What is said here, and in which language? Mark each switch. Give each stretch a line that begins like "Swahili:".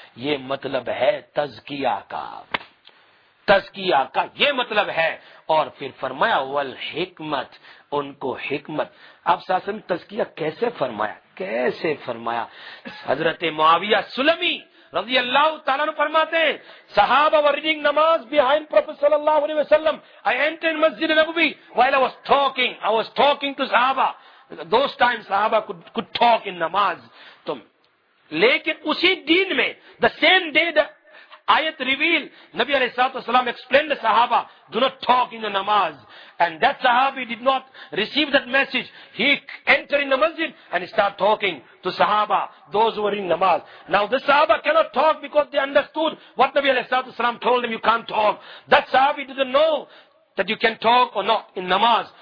Urdu: یہ مطلب ہے تزکیہ کا, تزکیہ کا یہ مطلب ہے. اور پھر فرمایا والحکمت, ان کو حکمت. اب ساسن تزکیہ کیسے فرمایا, کیسے فرمایا؟ حضرت معاویہ سلمی رضی اللہ تعالیٰ عنہ فرماتے ہیں صحابہ
English: were reading
Urdu: نماز behind Prophet صلی اللہ علیہ وسلم.
English: I entered Masjid Nabawi while I was talking to صحابہ. Those times صحابہ could talk in نماز.
Urdu: تو لیکن اسی دن میں
English: the same day the آیت revealed نبی علیہ الصلوۃ والسلام explained صحابہ do not talk in the نماز. And that sahabi did not receive that message. He entered in the masjid and started talking to sahaba, those who were in namaz. Now the sahaba cannot talk because they understood what Nabi alayhi salatu wasalam told them, you can't talk. That sahabi didn't know that you can talk or not in namaz.